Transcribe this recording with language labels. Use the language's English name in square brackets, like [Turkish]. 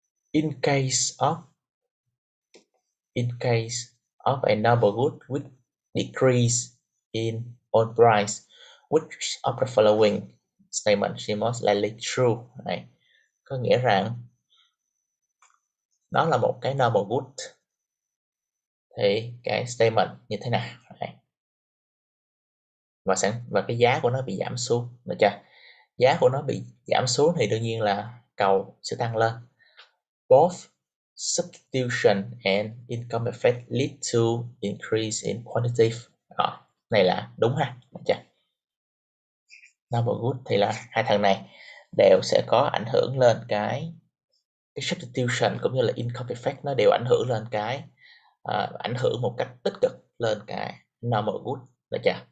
[English] In case of a noble good with decrease in own price, which of the following statement is most likely true? [Vietnamese] Này, có nghĩa rằng nó là một cái noble good thì cái statement như thế nào? Này. Và cái giá của nó bị giảm xuống, được chưa? Giá của nó bị giảm xuống thì đương nhiên là cầu sẽ tăng lên. [English] Both substitution and income effect lead to increase in quantity. [Vietnamese] Đó, này là đúng ha, được chưa? Noble good thì là hai thằng này đều sẽ có ảnh hưởng lên cái substitution cũng như là income effect, nó đều ảnh hưởng lên cái ảnh hưởng một cách tích cực lên cái noble good, được chưa?